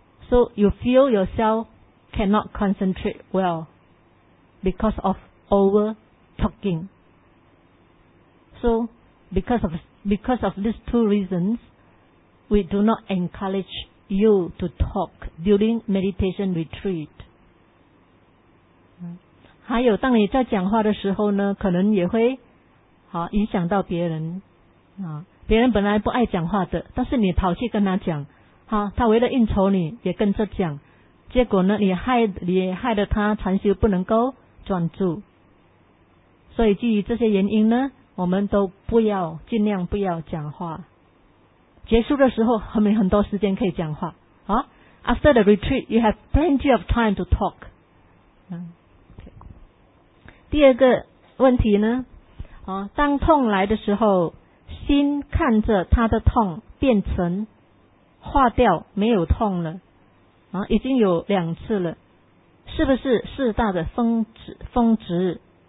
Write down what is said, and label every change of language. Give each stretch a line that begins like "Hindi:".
English: So you feel yourselfcannot concentrate well because of over talking. So because of these two reasons, we do not encourage you to talk during meditation retreat.
Chinese: 还有当你在讲话的时候呢，可能也会影响到别人，别人本来不爱讲话的，但是你跑去跟他讲，他为了应酬你也跟着讲，结果呢你害得他禅修不能够专注。所以基于这些原因呢，我们都不要，尽量不要讲话。结束的时候后面很多时间可以讲话。
English: After the retreat, you have plenty of time to talk.
Chinese: 第二个问题呢，当痛来的时候，心看着他的痛变成化掉，没有痛了。已经有两次了，是不是适当的峰值？